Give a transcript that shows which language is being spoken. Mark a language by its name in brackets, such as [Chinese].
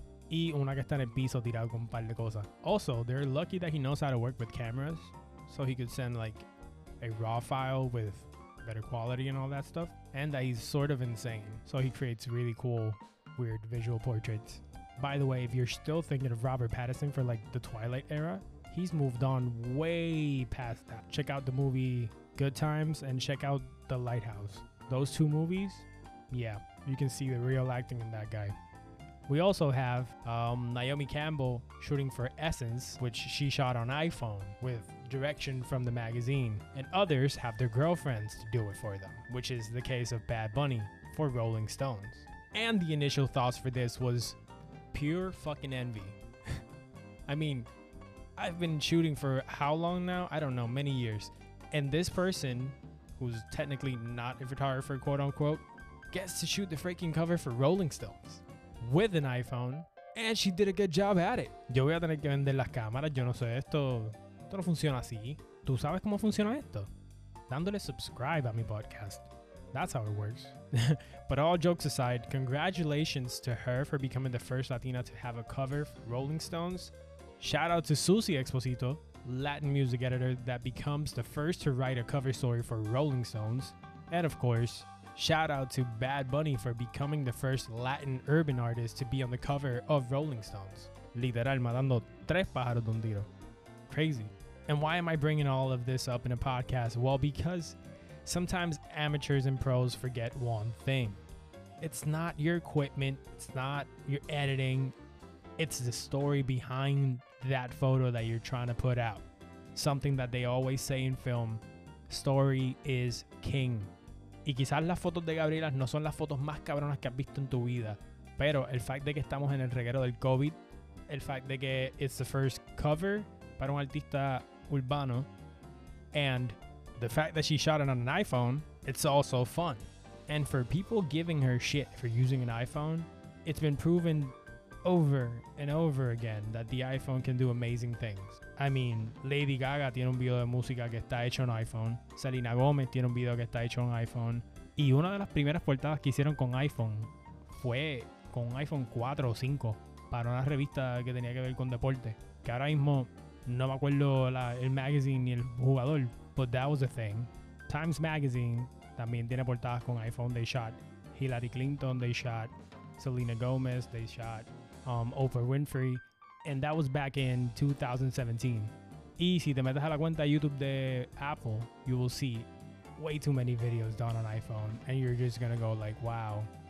[Spanish] Y una que está en el piso tirado con un par de cosas. [English] Also, they're lucky that he knows how to work with cameras, so he could send like a raw file with better quality and all that stuff. And that he's sort of insane, so he creates really cool, weird visual portraits. By the way, if you're still thinking of Robert Pattinson for like the Twilight era, he's moved on way past that. Check out the movie Good Times and check out The Lighthouse. Those two movies, yeah, you can see the real acting in that guy. We also have Naomi Campbell shooting for Essence, which she shot on iPhone with direction from the magazine. And others have their girlfriends to do it for them, which is the case of Bad Bunny for Rolling Stones. And the initial thoughts for this was pure fucking envy. I mean, I've been shooting for how long now? I don't know, many years. And this person, who's technically not a photographer, quote unquote, gets to shoot the freaking cover for Rolling Stones with an iPhone, and she did a good job at it. [Spanish] Yo voy a tener que vender las cámaras, yo no sé esto. Esto no funciona así. ¿Tú sabes cómo funciona esto? Dándole subscribe a mi podcast. [English] That's how it works. But all jokes aside, congratulations to her for becoming the first Latina to have a cover for Rolling Stones. Shout out to Susie Exposito, Latin music editor that becomes the first to write a cover story for Rolling Stones. And of course, shout out to Bad Bunny for becoming the first Latin urban artist to be on the cover of Rolling Stones. [Spanish] Literal, matando tres pájaros de un tiro. [English] Crazy. And why am I bringing all of this up in a podcast? Well, because sometimes amateurs and pros forget one thing. It's not your equipment, it's not your editing, it's the story behind that photo that you're trying to put out. Something that they always say in film, story is king. [Spanish] Y quizás las fotos de Gabriela no son las fotos más cabronas que has visto en tu vida, pero el fact de que estamos en el reguero del COVID, el fact de que [English] it's the first cover [Spanish] para un artista urbano, [English] and the fact that she shot it on an iPhone, it's also fun. And for people giving her shit for using an iPhone, it's been proven over and over again that the iPhone can do amazing things. I mean, [Spanish] Lady Gaga tiene un video de música que está hecho en iPhone. Selena Gomez tiene un video que está hecho en iPhone. Y una de las primeras portadas que hicieron con iPhone fue con un iPhone 4 o 5 para una revista que tenía que ver con deporte. Que ahora mismo no me acuerdo el magazine ni el jugador. [English] But that was a thing. [Spanish] Times Magazine también tiene portadas con iPhone. [English] They shot Hillary Clinton, they shot Selena Gomez, they shot Oprah Winfrey. And that was back in 2017. [Spanish] Y si te metes a la cuenta YouTube de Apple, [English] you will see way too many videos done on iPhone. And you're just gonna go like, wow,